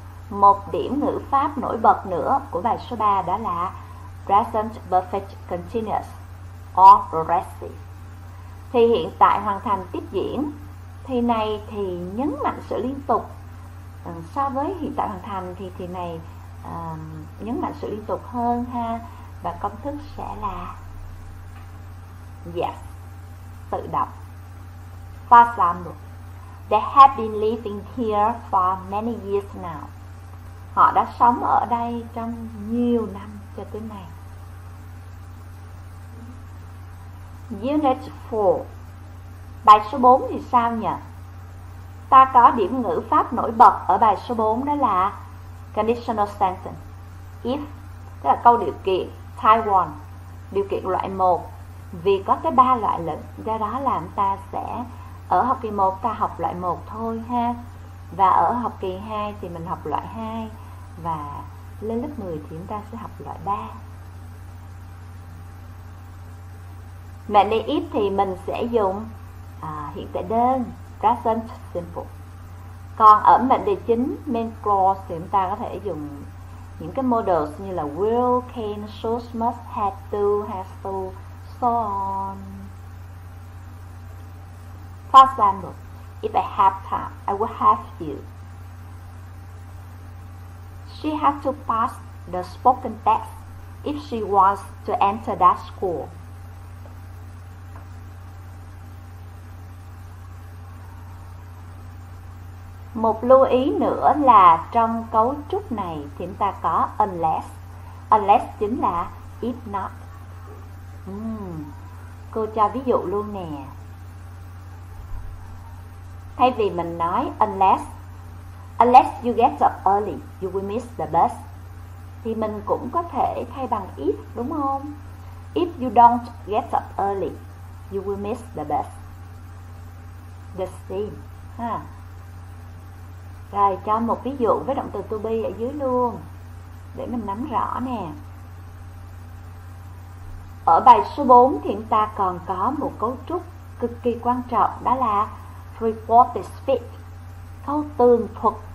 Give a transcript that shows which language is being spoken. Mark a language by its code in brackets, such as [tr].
[vi] Một điểm ngữ pháp nổi bật nữa của bài số 3 đó là [en] present perfect continuous or progressive, [vi] thì hiện tại hoàn thành tiếp diễn. Thì này thì nhấn mạnh sự liên tục. So với hiện tại hoàn thành thì này nhấn mạnh sự liên tục hơn ha. Và công thức sẽ là yes, tự động. [en] For example, they have been living here for many years now. [vi] Họ đã sống ở đây trong nhiều năm cho tới nay. [en] Unit 4. [vi] Bài số 4 thì sao nhỉ? Ta có điểm ngữ pháp nổi bật ở bài số 4 đó là conditional sentence. If, tức là câu điều kiện, type 1, điều kiện loại 1. Vì có cái 3 loại lệnh, do đó là ta sẽ ở học kỳ 1 ta học loại 1 thôi ha. Và ở học kỳ 2 thì mình học loại 2. Và lên lớp 10 thì chúng ta sẽ học loại 3. Mệnh đề if thì mình sẽ dùng hiện tại đơn, present simple. Còn ở mệnh đề chính, main clause, thì chúng ta có thể dùng những cái models như là will, can, should, must, had to, has to, so on. [en] For example, if I have time, I will have you. She has to pass the spoken test if she wants to enter that school. [vi] Một lưu ý nữa là trong cấu trúc này thì chúng ta có unless. Unless chính là if not. Cô cho ví dụ luôn nè. Thay vì mình nói [en] unless, unless you get up early, you will miss the bus. [vi] Thì mình cũng có thể thay bằng if, đúng không? [en] If you don't get up early, you will miss the bus. The same. [vi] Rồi cho một ví dụ với động từ to be ở dưới luôn, để mình nắm rõ nè. Ở bài số 4 thì chúng ta còn có một cấu trúc cực kỳ quan trọng, đó là reported speech, câu tường thuật.